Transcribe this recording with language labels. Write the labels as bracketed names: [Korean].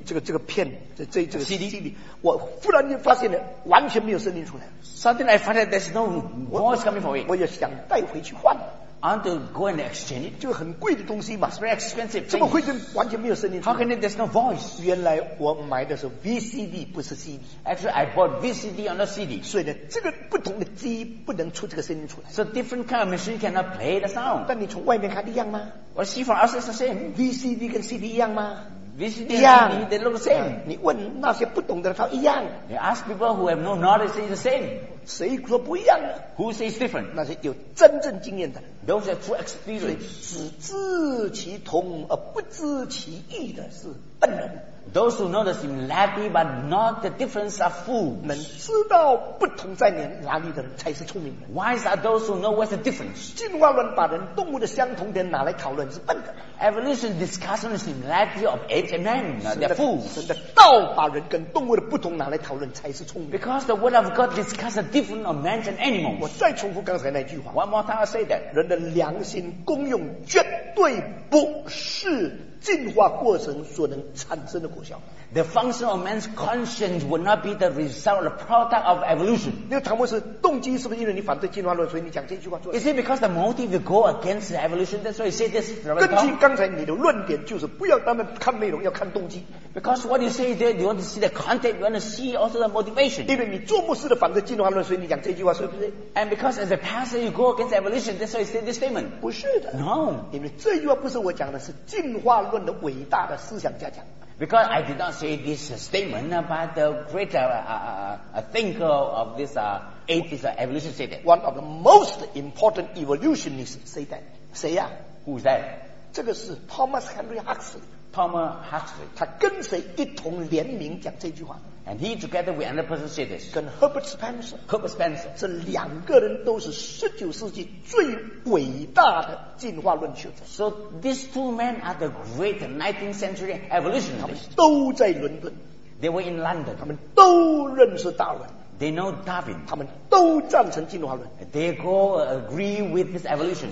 [Chinese] 这个片，这个 [English] CD. CD. [Chinese] 我忽然间发现了，完全没有声音出来。 [English] Suddenly I found that there's no voice coming from it. [Chinese] 我也想带回去换。 [English] I want to go and exchange it. [Chinese] 就很贵的东西嘛。 [English] It's very expensive. [Chinese] 怎么会跟完全没有声音出来 [English] ？How can it? There's no voice. [Chinese] 原来我买的是 VCD， 不是 CD. [English] Actually, I bought VCD on the CD. [Chinese] 所以呢，这个不同的机不能出这个声音出来。 [English] So different kind of machine cannot play the sound. [Chinese] 但你从外面看一样吗 [English] ？Well, see from outside the same. [Chinese] VCD 跟 CD 一样吗 [English] ？VCD [Chinese] 一样 [English] ，CD they look the same. [Chinese] 你问那些不懂的人，他一样。 [English] You ask people who have no knowledge, it's the same. [Chinese] 谁说不一样呢 [English] ？Who says different? [Chinese] 那些有真正经验的。 [English] Those are true experience. [Chinese] 只知其同而不知其异的是笨人。 [English] Those who know the similarity but not the difference are fools. [Chinese] 能知道不同在哪里的人才是聪明人。 [English] Wise are those who know what's the difference. [Chinese] 进化论把人动物的相同点拿来讨论是笨的。 [English] Evolution discussing the similarity of apes and men, they're fools. [Chinese] 神的道把人跟动物的不同拿来讨论才是聪明。 [English] Because the word of God discusses the difference of men and animals. [Chinese] 我再重复刚才那句话。 [English] One more time I say that. [Chinese] 人的良心功用绝对不是进化过程所能产生的果效。 [English] The function of man's conscience will not be the result, the product of evolution. [Chinese] 那唐博士，动机是不是因为你反对进化论，所以你讲这句话做 [English] ？Is it because the motive you go against evolution? That's why you say this. [Chinese] 根据刚才你的论点，就是不要他们看内容，要看动机。 [English] Because what you say there, you want to see the content, you want to see also the motivation. [Chinese] 因为你做牧师的反对进化论，所以你讲这句话，是不是 [English] ？And because as a pastor you go against evolution, that's why you say this statement. [Chinese] 不是的。 [English] No. [Chinese] 因为这句话不是我讲的，是进化论的伟大的思想家讲。 [English] Because I did not say this statement, but the great thinker of this atheist evolution said that. One of the most important evolutionists said that. [Chinese] 谁呀？ [English] Who is that? [Chinese] 这个是 Thomas Henry Huxley. [English] Thomas Huxley. [Chinese] 他跟谁一同联名讲这句话。 [English] And he together with another person said this. [Chinese] 跟 Herbert Spencer. [English] Herbert Spencer. [Chinese] 这两个人都是十九世纪最伟大的进化论学者。 [English] So these two men are the great 19th century evolutionists. [Chinese] 他们都在伦敦。 [English] They were in London. [Chinese] 他们都认识达尔文。 [English] They know Darwin. [Chinese] 他们都赞成进化论。 [English] They go agree with his evolution.